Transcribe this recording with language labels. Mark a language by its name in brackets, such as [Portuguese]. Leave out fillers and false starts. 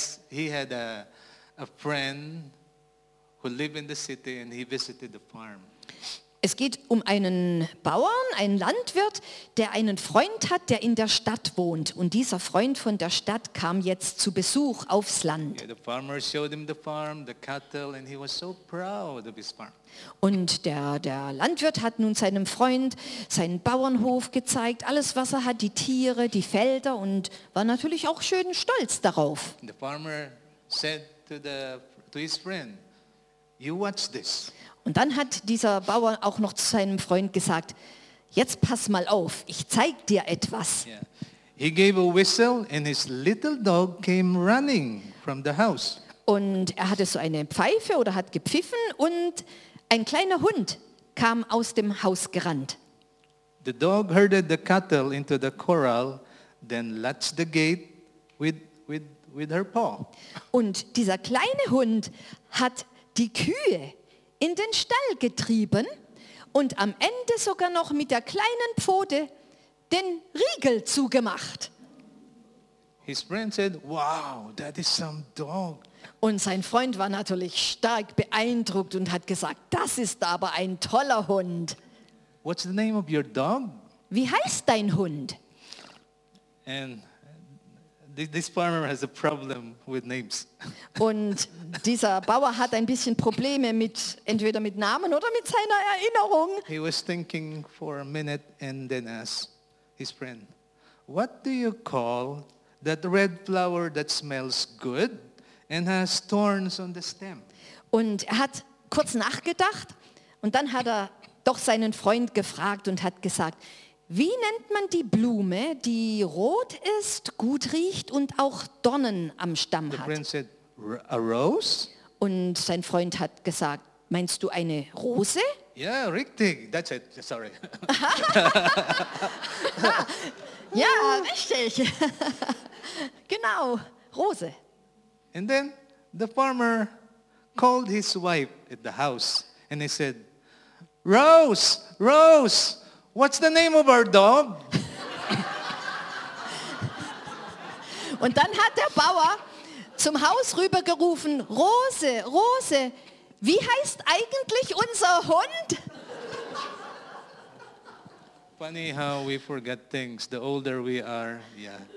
[English] He had a friend who lived in the city and he visited the farm. [German] Es geht um einen Bauern, einen Landwirt, der einen Freund hat, der in der Stadt wohnt. Und dieser Freund von der Stadt kam jetzt zu Besuch aufs Land. Und der Landwirt hat nun seinem Freund seinen Bauernhof gezeigt, alles was er hat, die Tiere, die Felder und war natürlich auch schön stolz darauf. [English] The farmer said to his friend, "You watch this." [German] Und dann hat dieser Bauer auch noch zu seinem Freund gesagt, jetzt pass mal auf, ich zeig dir etwas. [English] He gave a whistle and his little dog came running from the house. [German] Und er hatte so eine Pfeife oder hat gepfiffen und ein kleiner Hund kam aus dem Haus gerannt. [English] The dog herded the cattle into the corral, then latched the gate with her paw. [German] Und dieser kleine Hund hat die Kühe in den Stall getrieben und am Ende sogar noch mit der kleinen Pfote den Riegel zugemacht. [English] His friend said, "Wow, that is some dog." [German] Und sein Freund war natürlich stark beeindruckt und hat gesagt, das ist aber ein toller Hund. [English] What's the name of your dog? [German] Wie heißt dein Hund? [English] And this farmer has a problem with names. [German] Und dieser Bauer hat ein bisschen Probleme mit entweder mit Namen oder mit seiner Erinnerung. [English] He was thinking for a minute and then asked his friend, "What do you call that red flower that smells good and has thorns on the stem?" [German] Und er hat kurz nachgedacht und dann hat er doch seinen Freund gefragt und hat gesagt, wie nennt man die Blume, die rot ist, gut riecht und auch Dornen am Stamm hat? [English] The friend said, "A rose?" [German] Und sein Freund hat gesagt, meinst du eine Rose? Ja, [English] yeah, [German] richtig. [English] That's it. Sorry. [German] Ja, richtig. Genau, Rose. [English] And then the farmer called his wife at the house and he said, "Rose, Rose, what's the name of our dog?" [German] Und dann hat der Bauer zum Haus rübergerufen, "Rose, Rose, wie heißt eigentlich unser Hund?" [English] Funny how we forget things. The older we are, yeah.